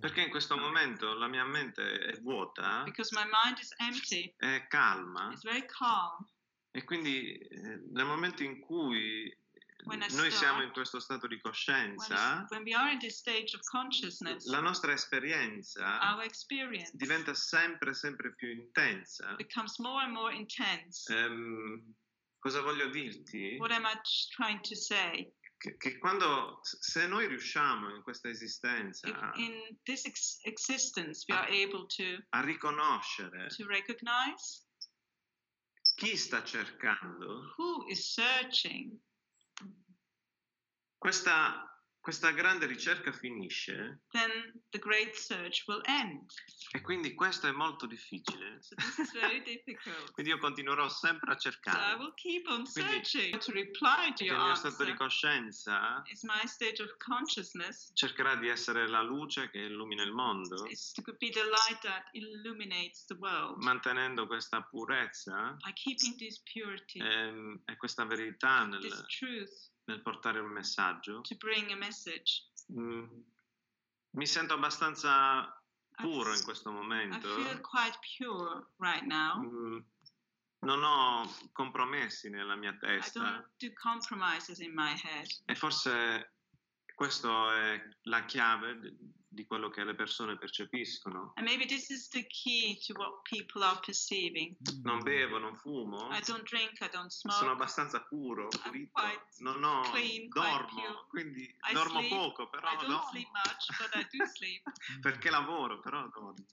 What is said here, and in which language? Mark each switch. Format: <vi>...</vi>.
<it>Perché in questo momento la mia mente è vuota.</it> <en>Because my mind is empty.</en> <it>È calma.</it> <en>It's very calm.</en> <it>E quindi nel momento in cui noi siamo in questo stato di coscienza,</it> <en>when we are in this stage of consciousness,</en> <it>la nostra esperienza</it> <en>our experience</en> <it>diventa sempre sempre più intensa.</it> <en>Becomes more and more intense.</en> <it>Cosa voglio dirti?</it> <en>What am I trying to say?</en> <it>Che quando, se noi riusciamo in questa esistenza</it> <en>in this existence we are able to,</en> <it>a riconoscere</it> <en>to recognize</en> <it>chi sta cercando,</it> <en>who is searching,</en> <it>questa grande ricerca finisce,</it> <en>then the great search will end.</en> <it>E quindi questo è molto difficile.</it> <en>So this is very difficult.</en> <it>Quindi io continuerò sempre a cercare.</it> <en>So I will keep on searching to reply to your answer.</en> <it>Il mio stato di coscienza</it> <en>is my stage of consciousness.</en> <it>Cercherà di essere la luce che illumina il mondo.</it> <en>It could be the light that illuminates the world.</en> <it>Mantenendo questa purezza</it> <en>by keeping this purity,</en> <it>e questa verità nel,</it> <en>this truth,</en> <it>nel portare un messaggio.</it> <en>To bring a message.</en> <it>Mi sento abbastanza puro in questo momento.</it> <en>I feel quite pure right now.</en> <it>Non ho compromessi nella mia testa.</it> <en>I don't do compromises in my head.</en> <it>E forse questo è la chiave di quello che le persone percepiscono.</it> <en>And maybe this is the key to what people are perceiving.</en> <it>Non bevo, non fumo.</it> <en>I don't drink, I don't smoke.</en> <it>Sono abbastanza puro, pulito.</it> <en>I'm quite</en> <it>non ho</it> <en>clean,</en> <it>dormo,</it> <en>quite pure.</en> <it>Quindi</it> <en>I</en> <it>dormo</it> <en>sleep,</en> <it>poco, però</it> <en>I don't</en> <it>dormo.</it> <en>Sleep much, but I do sleep.</en> <it>Perché lavoro, però dormo.</it>